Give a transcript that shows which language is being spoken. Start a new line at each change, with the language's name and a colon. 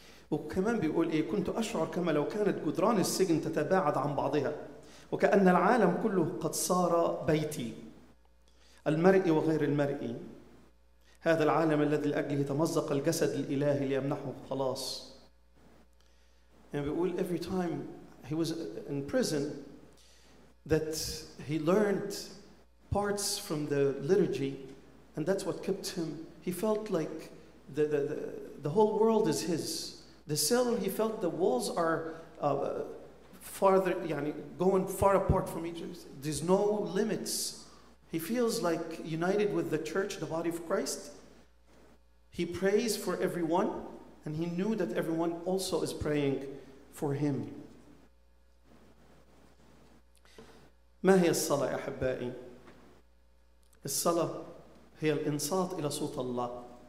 Arabic: وكمان بيقول إيه؟ كنت أشعر كما لو كانت جدران السجن تتباعد عن بعضها، وكأن العالم كله قد صار بيتي المرئي وغير المرئي، هذا العالم الذي لأجله تمزق الجسد الإلهي ليمنحه خلاص. يعني بيقول
English: every time he was in prison that he learned parts from the liturgy and that's what kept him. He felt like the whole world is his. The cell, he felt the walls are farther, يعني going far apart from each other. There's no limits. He feels like united with the church, the body of Christ. He prays for everyone, and he knew that everyone also is praying for him.
Arabic: ما هي الصلاة يا أحبائي؟ الصلاة هي الإنصات إلى صوت الله.